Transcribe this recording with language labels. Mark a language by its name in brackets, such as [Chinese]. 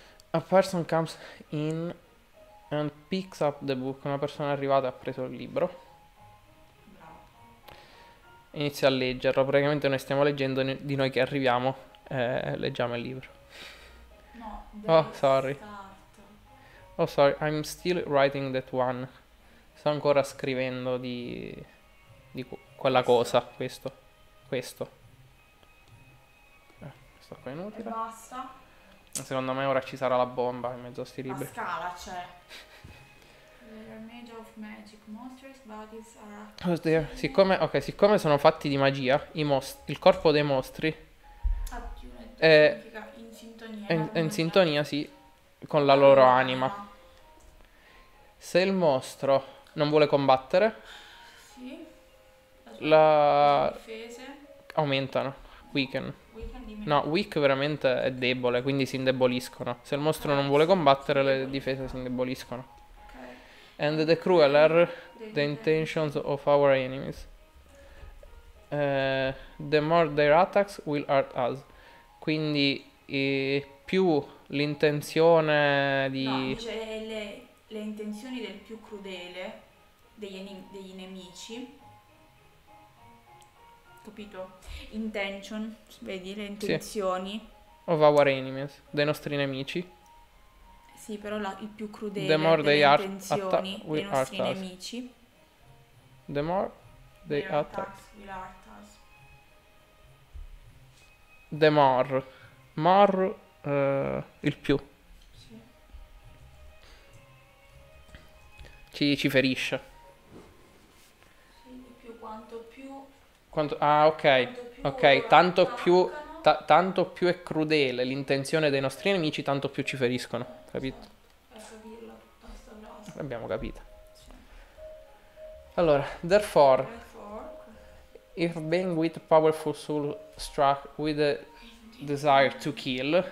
[English] A person comes in and picks up the book. [Italian] Una persona è arrivata e ha preso il libro. Bravo. Inizia a leggerlo. Praticamente noi stiamo leggendo, di noi che arriviamo, leggiamo il libro. No, [English] oh, sorry. Oh, sorry, I'm still writing that one. [Italian] Sto ancora scrivendo di quella cosa, questo. Sto qua inutile. E basta. Secondo me ora ci sarà la bomba in mezzo a sti libri. La scala c'è. [English] They are made of magic monsters, bodies are... Oh, dear. [Italian] Siccome, ok, siccome sono fatti di magia, il corpo dei mostri... Attune, significa in sintonia. In sintonia, sì. Con la loro anima. Se il mostro non vuole combattere, sì, le difese aumentano. Weaken. No, weak veramente è debole, quindi si indeboliscono. Se il mostro non vuole combattere, le difese si indeboliscono. Okay. [English] And the crueler the intentions of our enemies, the more their attacks will hurt us. [Italian] Quindi più l'intenzione di... No, cioè le intenzioni del più crudele degli nemici. Capito? Intention, vedi, le intenzioni. Sì. [English] Of our enemies, [Italian] dei nostri nemici. Sì, però il più crudele [English] the more [Italian] delle they intenzioni dei nostri nemici. [English] The more they attack will hurt us. The more. More... [Italian] il più sì. ci ferisce. Sì, più quanto più tanto più è crudele l'intenzione dei nostri nemici, tanto più ci feriscono. Capito? Sì. L'abbiamo capito. Allora, [English] therefore, if being with powerful soul struck with the desire to kill.